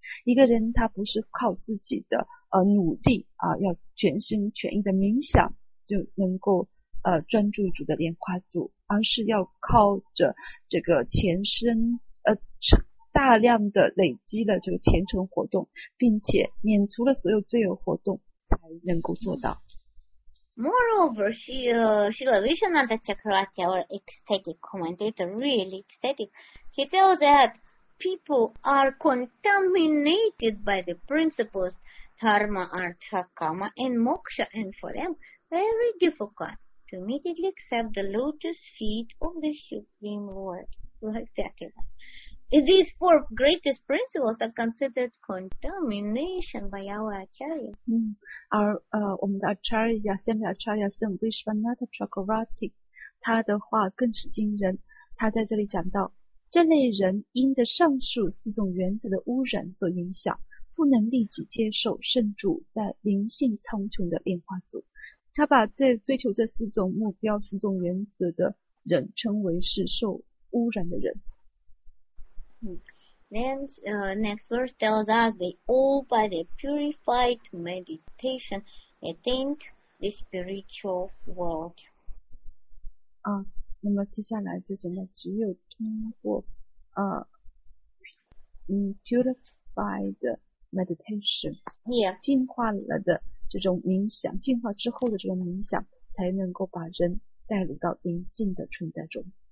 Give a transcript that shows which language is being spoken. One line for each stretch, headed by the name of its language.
Chinese: 一个人他不是靠自己的努力啊，要全心全意的冥想就能够专注主的莲花座，而是要靠着这个前身大量的累积了这个虔诚活动，并且免除了所有罪恶活动，才能够做到。
English: Moreover, Srila Vishwanatha Chakravarti, our ecstatic commentator, really ecstatic, he tells that people are contaminated by the principles dharma, artha, kama, and moksha, and for them, very difficult to immediately accept the lotus feet of the Supreme Lord. Exactly that. These four greatest principles are considered contamination by our acharyas.
Chinese: 而我们的 acharya, 下面 acharya 是 Vishwanatha Chakravarti, 他的话更是惊人。他在这里讲到，这类人因着上述四种原则的污染所影响，不能立即接受圣主在灵性苍穹的莲花座。他把这追求这四种目标、四种原则的人称为是受污染的人。
English: Then next verse tells us they all by their purified meditation attained the spiritual world.
Chinese: 啊，那么接下来就讲到只有通过
English: purified meditation，
Chinese: 净化了的这种冥想，净化之后的这种冥想，才能够把人带入到灵性的存在中。